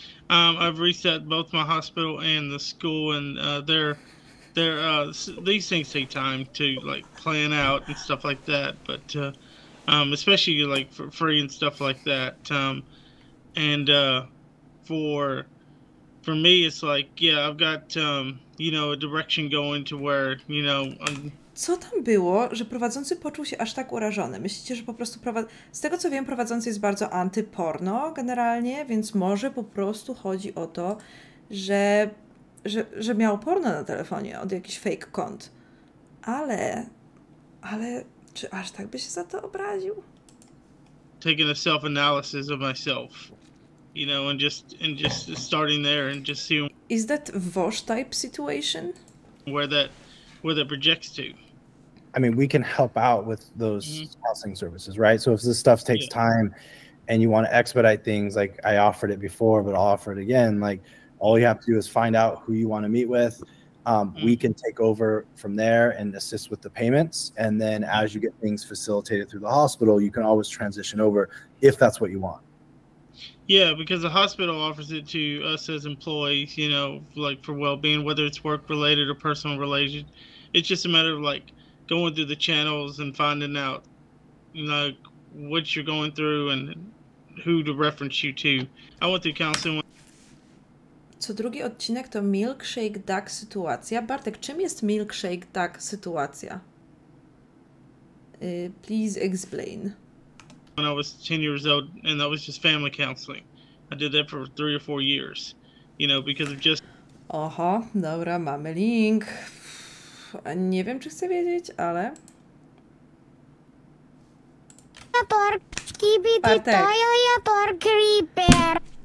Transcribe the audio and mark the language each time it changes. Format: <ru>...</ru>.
<en>I've reset both my hospital and the school and these things take time to like plan out and stuff like that. But, especially like for free and stuff like that. For me, it's like, I've got, a direction going to where, you know, I'm...</en> <pl>Co tam było, że prowadzący poczuł się aż tak urażony? Myślicie, że po prostu z tego co wiem, prowadzący jest bardzo antyporno generalnie, więc może po prostu chodzi o to, że miał porno na telefonie od jakiś fake kont. Ale czy aż tak by się za to obraził?</pl> <en>Taking a self-analysis of myself, you know, and just starting there and just seeing. Is that Vosh type situation? Where that projects to. I mean, we can help out with those counseling services, right? So if this stuff takes time and you want to expedite things, like I offered it before, but I'll offer it again, like, all you have to do is find out who you want to meet with. We can take over from there and assist with the payments. And then as you get things facilitated through the hospital, you can always transition over if that's what you want. Yeah, because the hospital offers it to us as employees, you know, like for well-being, whether it's work-related or personal-related. It's just a matter of, like, going through the channels and finding out, you know, what you're going through and who to reference you to. I went through counseling.</en> <pl>Co drugi odcinek to milkshake duck sytuacja. Bartek, czym jest milkshake duck sytuacja?</pl> <en>Please explain. When I was 10 years old, and that was just family counseling. I did that for 3 or 4 years, you know, because of just...</en> <pl>Oho, dobra, mamy link. Nie wiem, czy chcę wiedzieć, ale... Porki bity toją ja pork reaper.</pl>